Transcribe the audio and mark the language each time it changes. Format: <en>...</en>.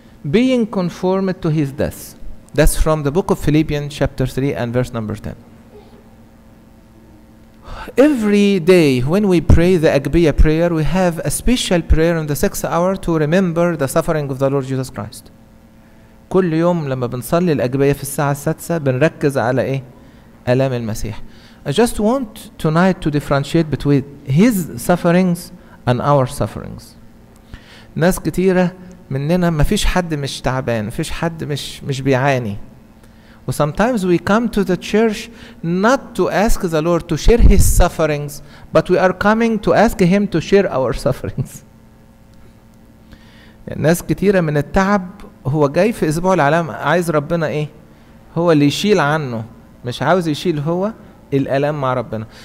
<en>Being conformed to his death. That's from the book of Philippians chapter 3 and verse number 10. Every day when we pray the Agbia prayer, we have a special prayer in the 6th hour to remember the suffering of the Lord Jesus Christ.</en> <ar>كل يوم لما بنصلي الأجبية في الساعة السادسة بنركز على إيه؟ ألام المسيح.</ar> <en>I just want tonight to differentiate between his sufferings and our sufferings.</en> <ar>ناس كتيرة مننا ما فيش حد مش تعبان, فيش حد مش بيعاني.</ar> <en>Sometimes we come to the church not to ask the Lord to share his sufferings, but we are coming to ask him to share our sufferings.</en> <ar>ناس كتيرة من التعب هو جاي في أسبوع العلامة عايز ربنا إيه؟ هو اللي يشيل عنه, مش عاوز يشيل هو الألام مع ربنا.</ar>